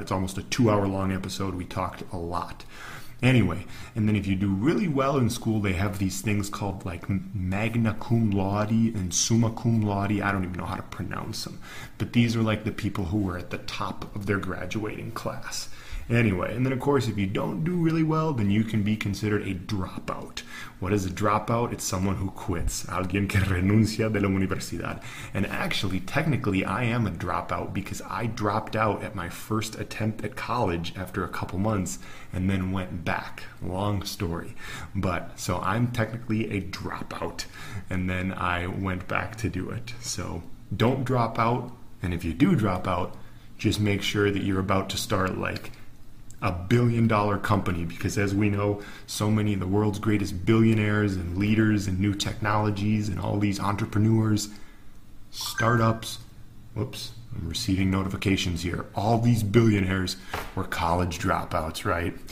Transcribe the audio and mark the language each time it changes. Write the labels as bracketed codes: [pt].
[en] It's almost a 2-hour long episode. We talked a lot. Anyway, and then if you do really well in school, they have these things called like magna cum laude and summa cum laude. I don't even know how to pronounce them. But these are like the people who were at the top of their graduating class. Anyway, and then of course, if you don't do really well, then you can be considered a dropout. What is a dropout? It's someone who quits. [es] Alguien que renuncia de la universidad. [en] And actually, technically, I am a dropout because I dropped out at my first attempt at college after a couple months and then went back. Long story. But so I'm technically a dropout. And then I went back to do it. So don't drop out. And if you do drop out, just make sure that you're about to start like a billion-dollar company, because as we know, so many of the world's greatest billionaires and leaders and new technologies and all these entrepreneurs, startups, whoops, I'm receiving notifications here, all these billionaires were college dropouts, right?